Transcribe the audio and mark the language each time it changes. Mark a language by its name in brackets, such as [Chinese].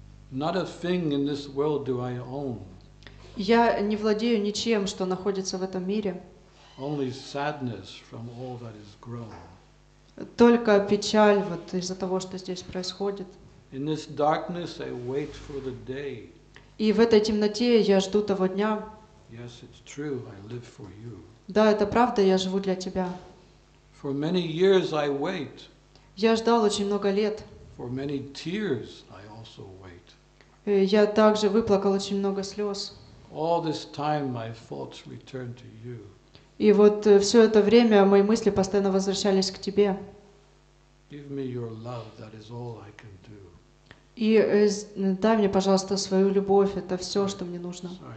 [English] Not a thing in this world do I own. [Russian] Я не владею ничем, что находится в этом мире. [English] Only sadness from all that is grown. [Russian] Только печаль вот из-за того, что здесь происходит. [English] In this darkness I wait for the day. [Russian] И в этой темноте я жду того дня. [English] Yes, it's true. I live for you. [Russian] Да, это правда. Я живу для тебя. [English] For many years I wait. [Russian] Я ждал очень много лет. [English] For many tears I also wait. [Russian] Я также выплакал очень много слез. [English] All this time my thoughts return to you. [Russian] И вот все это время мои мысли постоянно возвращались к тебе. [English] Give me your love, that is all I can do. [Russian] И дай мне, пожалуйста, свою любовь, это все, что мне нужно.